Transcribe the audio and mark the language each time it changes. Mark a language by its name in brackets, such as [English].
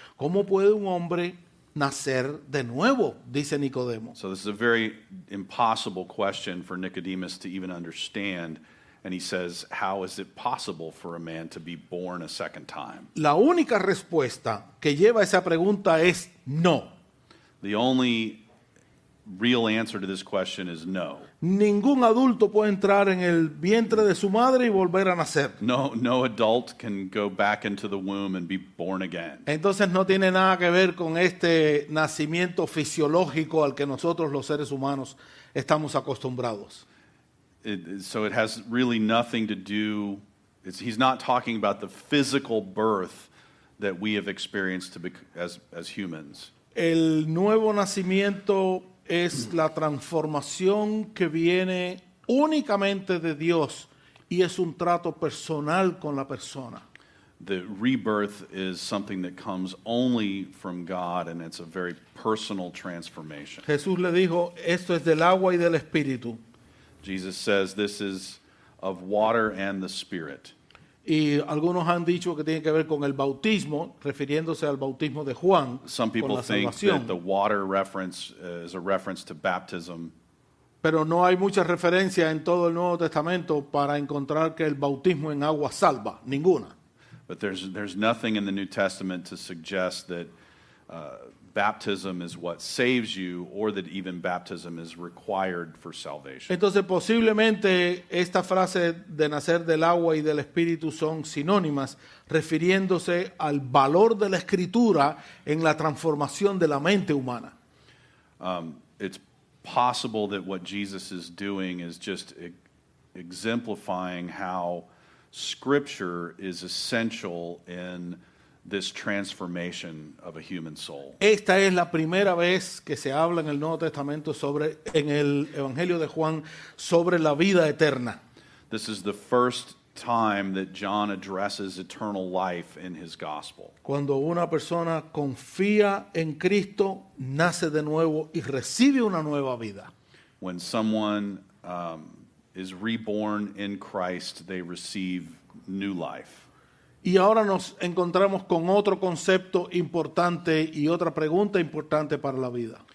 [Spanish] ¿Cómo puede un hombre nacer de nuevo? Dice Nicodemo. [English] So this is a very impossible question for Nicodemus to even understand. And he says, how is it possible for a man to be born a second time? [Spanish] La única respuesta que lleva esa pregunta es no. [English] The only real answer to this question is no. [Spanish] Ningún adulto puede entrar en el vientre de su madre y volver a nacer. [English] No adult can go back into the womb and be born again. [Spanish] Entonces no tiene nada que ver con este nacimiento fisiológico al que nosotros los seres humanos estamos acostumbrados. [English] So it has really nothing to do. He's not talking about the physical birth that we have experienced as humans. [Spanish] El nuevo nacimiento es la transformación que viene únicamente de Dios y es un trato personal con la persona. [English] The rebirth is something that comes only from God, and it's a very personal transformation. [Spanish] Jesús le dijo, esto es del agua y del espíritu. [English] Jesus says this is of water and the Spirit. [Spanish] Y algunos han dicho que tiene que ver con el bautismo, refiriéndose al bautismo de Juan. [English] Some people [Spanish] con la [English] think [Spanish] salvación. [English] That the water reference is a reference to baptism. [Spanish] Pero no hay mucha referencia en todo el Nuevo Testamento para encontrar que el bautismo en agua salva. Ninguna. [English] But there's nothing in the New Testament to suggest that baptism is what saves you, or that even baptism is required for salvation. [Spanish] Entonces, posiblemente esta frase de nacer del agua y del espíritu son sinónimas, refiriéndose al valor de la escritura en la transformación de la mente humana. [English] It's possible that what Jesus is doing is just exemplifying how scripture is essential in this transformation of a human soul. [Spanish] Esta es la primera vez que se habla en el Nuevo Testamento sobre, en el Evangelio de Juan, sobre la vida eterna. [English] This is the first time that John addresses eternal life in his gospel. [Spanish] Cuando una persona confía en Cristo, nace de nuevo y recibe una nueva vida. [English] When someone is reborn in Christ, they receive new life. [Spanish] Y ahora nos encontramos con otro concepto importante y otra pregunta importante para la vida.